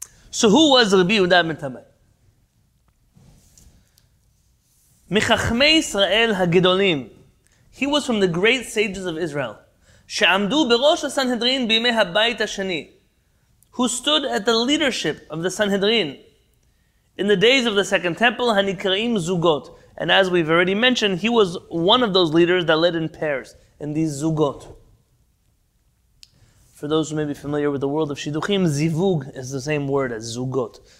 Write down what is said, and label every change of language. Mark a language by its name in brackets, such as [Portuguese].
[English] So who was Rabbi Yehuda ben Tabbai? [Hebrew] מחכמי ישראל הגדולים. [English] He was from the great sages of Israel. [Hebrew] שעמדו בראש הסנהדרין בימי הבית השני. [English] Who stood at the leadership of the Sanhedrin in the days of the Second Temple, [Hebrew] הנקראים זוגות. [English] And as we've already mentioned, he was one of those leaders that led in pairs, in these זוגות. For those who may be familiar with the world of Shiduchim, זיווג is the same word as זוגות.